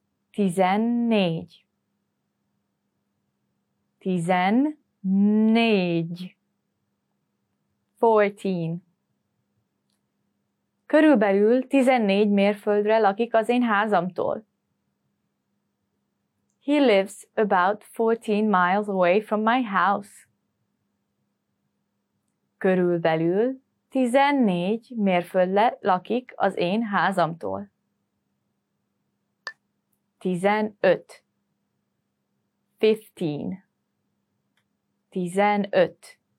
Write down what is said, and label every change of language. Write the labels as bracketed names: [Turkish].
[Hungarian] 14. 14. 14. Körülbelül 14 mérföldre lakik az én házamtól. [English] He lives about 14 miles away from my house. [Hungarian] Körülbelül 14 mérföldre lakik az én házamtól. 15. 15. 15.